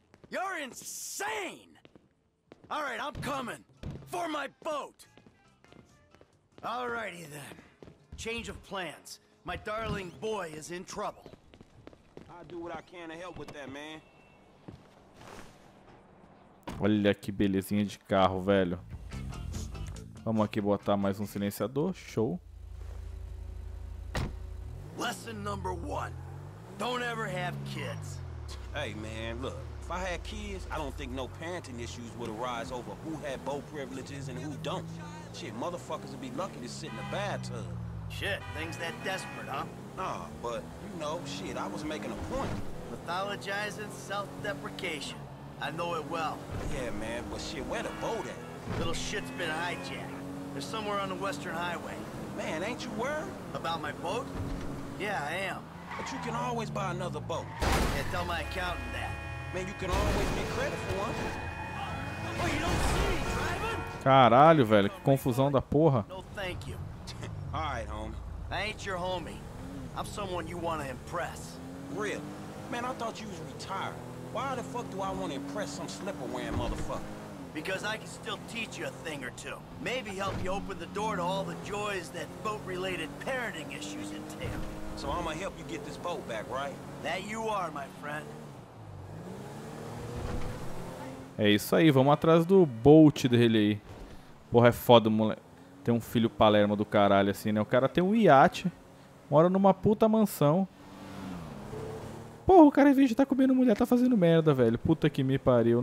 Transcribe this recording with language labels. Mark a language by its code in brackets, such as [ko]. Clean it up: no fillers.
[en] You're insane! All right, I'm coming for my boat. All righty then. Change of plans. My darling boy is in trouble. I'll do what I can to help with that, man. [pt] Olha que belezinha de carro, velho. Vamos aqui botar mais um silenciador. Show. [en] Lesson number one. Don't ever have kids. Hey, man, look. If I had kids, I don't think no parenting issues would arise over who had boat privileges and who don't. Shit, motherfuckers would be lucky to sit in a bathtub. Shit, things that desperate, huh? Nah, but, you know, shit, I was making a point. Mythologizing self-deprecation. I know it well. Yeah, man, but shit, where the boat at? Little shit's been hijacked. They're somewhere on the Western Highway. Man, ain't you worried? About my boat? Yeah, I am. But you can always buy another boat. Yeah, tell my accountant that. Man, you can always get credit for one. Oh, you don't see me driving? [pt] Caralho, velho, que confusão da porra. [en] No, thank you. All right, homie. I ain't your homie. I'm someone you want to impress. Really? Man, I thought you was retired. Why the fuck do I want to impress some slipper-wearing motherfucker? Because I can still teach you a thing or two. Maybe help you open the door to all the joys that boat-related parenting issues entail. So I'm gonna help you get this boat back, right? That you are, my friend. [pt] É isso aí, vamos atrás do Bolt dele aí. Porra, é foda, moleque. Tem um filho Palermo do caralho, assim, né? O cara tem um iate, mora numa puta mansão. Porra, o cara, em vez de tá comendo mulher, tá fazendo merda, velho. Puta que me pariu.